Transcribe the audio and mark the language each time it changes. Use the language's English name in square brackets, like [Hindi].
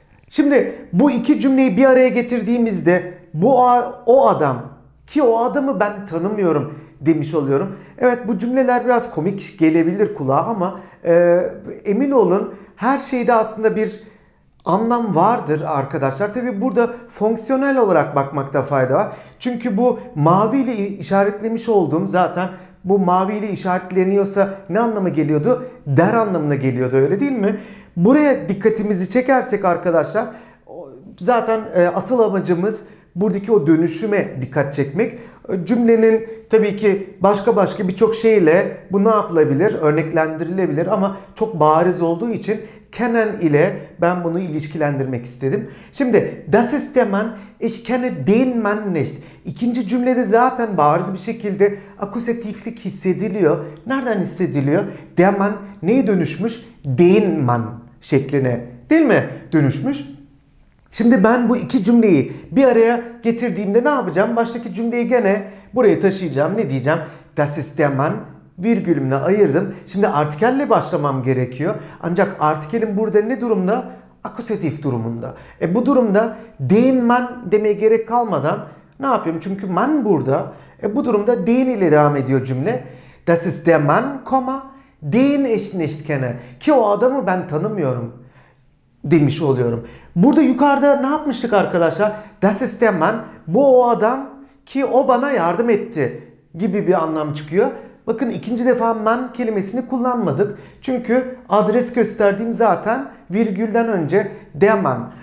[Turkish] Şimdi bu iki cümleyi bir araya getirdiğimizde bu o adam ki o adamı ben tanımıyorum demiş oluyorum. Evet, bu cümleler biraz komik gelebilir kulağa ama emin olun her şeyde aslında bir anlam vardır arkadaşlar. Tabi burada fonksiyonel olarak bakmakta fayda var. Çünkü bu maviyle işaretlemiş olduğum, zaten bu maviyle işaretleniyorsa ne anlama geliyordu? Der anlamına geliyordu, öyle değil mi? Buraya dikkatimizi çekersek arkadaşlar zaten asıl amacımız buradaki o dönüşüme dikkat çekmek. Cümlenin tabii ki başka birçok şeyle bu ne yapılabilir? Örneklendirilebilir ama çok bariz olduğu için kennen ile ben bunu ilişkilendirmek istedim. Şimdi [German] das ist der Mann, ich kenne den Mann nicht. [Turkish] İkinci cümlede zaten bariz bir şekilde akusatiflik hissediliyor. Nereden hissediliyor? Der Mann neye dönüşmüş? Den Mann şekline, değil mi? Dönüşmüş. Şimdi ben bu iki cümleyi bir araya getirdiğimde ne yapacağım? Baştaki cümleyi gene buraya taşıyacağım. Ne diyeceğim? [German] Das ist der Mann. [Turkish] Virgülümle ayırdım. Şimdi artikelle başlamam gerekiyor. Ancak artikelim burada ne durumda? Akusatif durumunda. E bu durumda den man demeye gerek kalmadan ne yapıyorum? Çünkü man burada. E bu durumda den ile devam ediyor cümle. [German] Das ist der Mann, koma den ich nicht kenne. [Turkish] Ki o adamı ben tanımıyorum demiş oluyorum. Burada yukarıda ne yapmıştık arkadaşlar? [German] Das ist der Mann, [Turkish] bu o adam ki o bana yardım etti gibi bir anlam çıkıyor. Bakın ikinci defa man kelimesini kullanmadık. Çünkü adres gösterdiğim zaten virgülden önce der Mann.